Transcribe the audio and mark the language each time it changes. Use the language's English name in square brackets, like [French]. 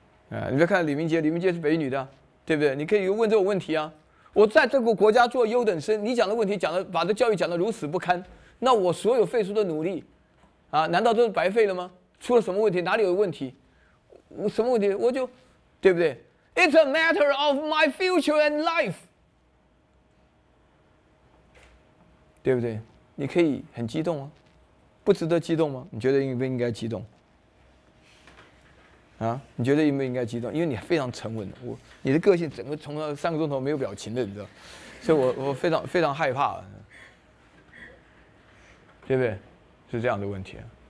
[Chinese] 啊，你别看李明杰，李明杰是北女的，对不对？你可以问这种问题啊。我在这个国家做优等生，你讲的问题讲的把这教育讲得如此不堪，那我所有费出的努力啊，难道都是白费了吗？出了什么问题？哪里有问题？我什么问题？我就，对不对？ [English] It's a matter of my future and life， [Chinese] 对不对？你可以很激动啊，不值得激动吗？你觉得应不应该激动啊？你觉得应不应该激动？因为你非常沉稳，你的个性整个从三个钟头没有表情的，你知道，所以我非常非常害怕，对不对？是这样的问题啊。